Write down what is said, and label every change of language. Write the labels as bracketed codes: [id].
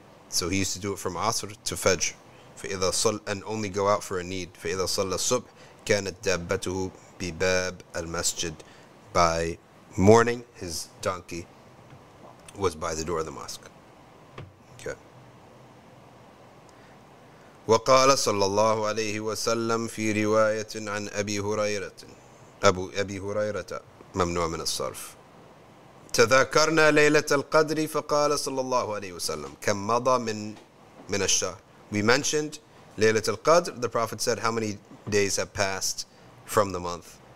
[en] So he used to do it from Asr to Fajr. [ar] فَإِذَا صَلَّى [en] and only go out for a need. [ar] فَإِذَا صَلَّى الصُّبْحِ كَانَتْ دَابَّتُهُ بِبَابِ الْمَسْجِدِ. [en] By morning, his donkey was by the door of the mosque. Okay. [ar] وقال صلى الله عليه وسلم في رواية عن أبي هريرة أبي هريرة ممنوع من الصرف تذكرنا ليلة القدر فقال صلى الله عليه وسلم كم مضى من الشهر. [en] We mentioned ليلة القدر. The Prophet said, how many days have passed from the month?